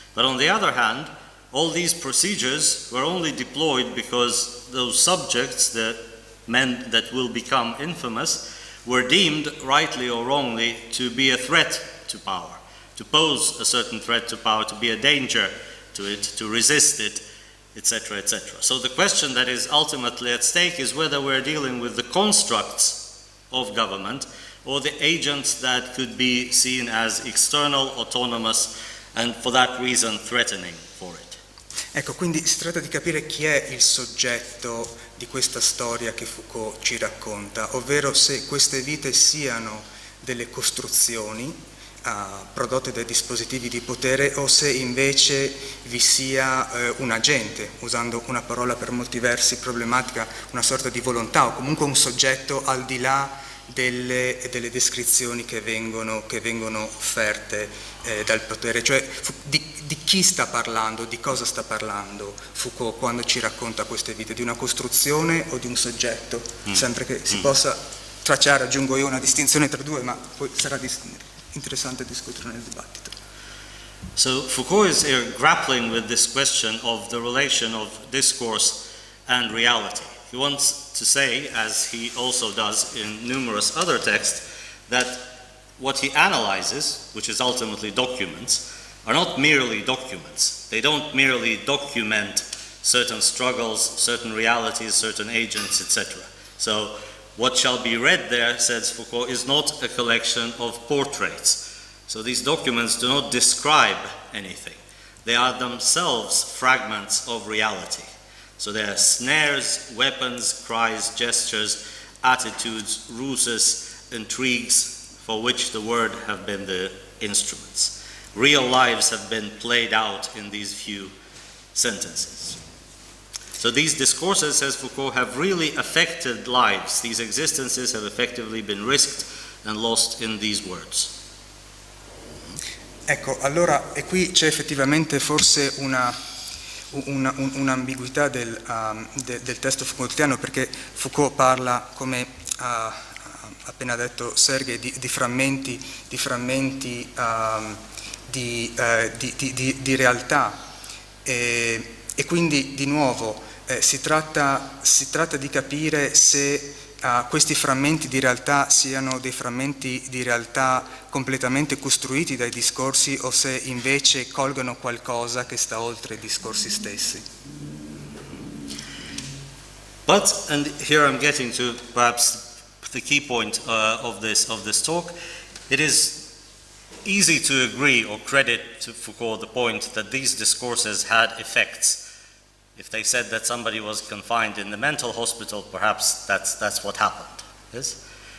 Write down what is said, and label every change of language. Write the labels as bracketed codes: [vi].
[en] But on the other hand, all these procedures were only deployed because those subjects, the men that will become infamous, were deemed, rightly or wrongly, to be a threat to power, to pose a certain threat to power, to be a danger to it, to resist it, etc., etc. So the question that is ultimately at stake is whether we're dealing with the constructs of government or the agents that could be seen as external, autonomous, and for that reason threatening for it. [it] Ecco, quindi si tratta di capire chi è il soggetto di questa storia che Foucault ci racconta, ovvero se queste vite siano delle costruzioni prodotte dai dispositivi di potere o se invece vi sia un agente, usando una parola per molti versi problematica, una sorta di volontà o comunque un soggetto al di là delle descrizioni che vengono offerte dal potere, cioè di chi sta parlando, di cosa sta parlando Foucault quando ci racconta queste vite, di una costruzione o di un soggetto, sempre che si possa tracciare, aggiungo io, una distinzione tra due, ma poi sarà interessante discutere nel dibattito. [en] So Foucault is here grappling with this question of the relation of discourse and reality. He wants to say, as he also does in numerous other texts, that what he analyzes, which is ultimately documents, are not merely documents. They don't merely document certain struggles, certain realities, certain agents, etc. So what shall be read there, says Foucault, is not a collection of portraits. So these documents do not describe anything. They are themselves fragments of reality. So there are snares, weapons, cries, gestures, attitudes, ruses, intrigues for which the word have been the instruments. Real lives have been played out in these few sentences. So these discourses, says Foucault, have really affected lives. These existences have effectively been risked and lost in these words. [it] Ecco, allora, e qui c'è effettivamente forse un'ambiguità del testo foucaultiano, perché Foucault parla, come ha appena detto Sergei, di frammenti di realtà e quindi di nuovo si tratta di capire se questi frammenti di realtà siano dei frammenti di realtà completamente costruiti dai discorsi o se invece colgono qualcosa che sta oltre i discorsi stessi. [en] But, and here I'm getting to perhaps the key point of this talk, it is easy to agree or credit to Foucault the point that these discourses had effects. If they said that somebody was confined in the mental hospital, perhaps that's what happened. Yes?